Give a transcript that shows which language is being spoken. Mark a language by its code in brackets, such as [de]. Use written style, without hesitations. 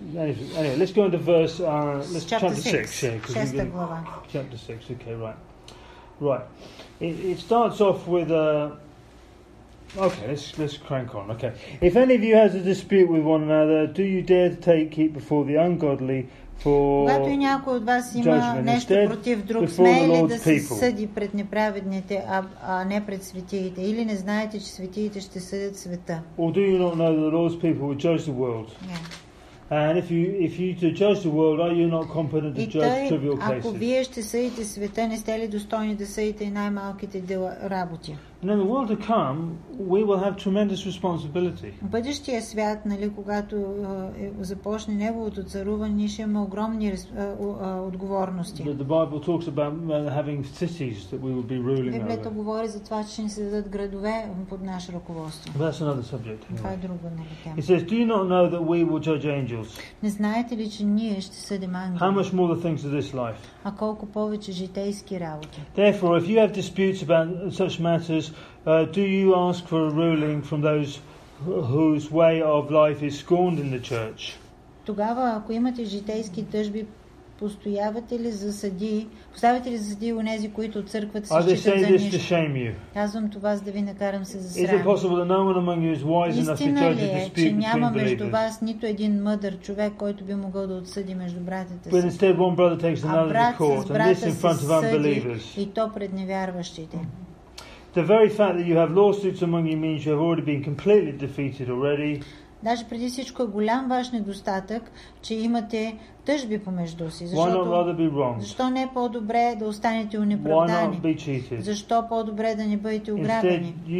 [en] Anyway, let's go into verse. Let's chapter 6. Chapter 6. Okay, right. Right. It starts off with. Okay, let's crank on. Okay. If any of you has a dispute with one another, do you dare to take it before the ungodly? [bg] Когато и някой от вас има нещо против друг, смее ли да се съди пред неправедните, а не пред светиите? Или не знаете, че светиите ще съдят света? [en] Or do you not know that the Lord's people will judge the world? Yeah. And if you to judge the world, are you not competent to judge trivial cases? [bg] Ако вие ще съдите света, не сте ли достойни да съдите и най-малките дела работи? [en] And in the world to come, we will have tremendous responsibility. [bg] Бъдещия свят, нали, когато започне неговото царуване, ще има огромни отговорности. [en] The Bible talks about having cities that we will be ruling over. [bg] Библията говори за това, че ще ни се дадат градове под наше ръководство. [en] That's another subject. [bg] Това е друга тема. [en] It says, do you not know that we will judge angels? [bg] Не знаете ли, че ние ще съдим ангели? [en] How much more the things of this life? [bg] А колко повече житейски работи? [en] Therefore, if you have disputes about such matters, do you ask for a ruling from those whose way of life is scorned in the church? [bg] Тогава, ако имате житейски тъжби, постоявате ли за съди? Поставяте ли за съди онези, които от църквата се считат за нищо? Казвам това, за да ви накарам се за срам. [en] Is it possible that no one among you is wise enough to judge the dispute between believers? [bg] Истина ли е, че няма между вас нито един мъдър човек, който би могъл да отсъди между братите си? [en] But instead one brother takes another to court, and this in front of unbelievers. [bg] И то пред невярващите. [en] The very fact that you have lawsuits among you means you have already been completely defeated already. [bg] Даже преди всичко е голям ваш недостатък, че имате тъжби помежду си. Защо не е по-добре да останете унеправдани? Защо по-добре да не бъдете ограбени?